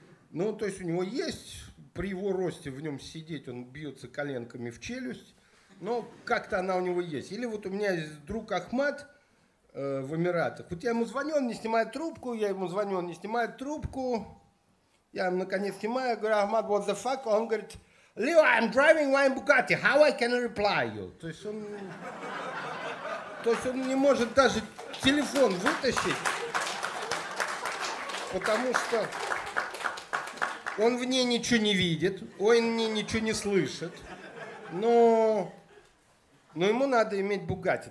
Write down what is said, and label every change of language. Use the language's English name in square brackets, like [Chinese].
[Russian] Ну, то есть у него есть, при его росте в нем сидеть, он бьется коленками в челюсть, но как-то она у него есть. Или вот у меня есть друг Ахмат, в Эмиратах. Вот я ему звоню, он не снимает трубку, Я ему наконец снимаю, говорю, Ахмад, [English] what the fuck? [Russian] Он говорит, [English] Leo, I'm driving my Bugatti, how I can reply you? [Russian] То есть он не может даже телефон вытащить, потому что он в ней ничего не видит, он в ней ничего не слышит, но ему надо иметь Бугатти.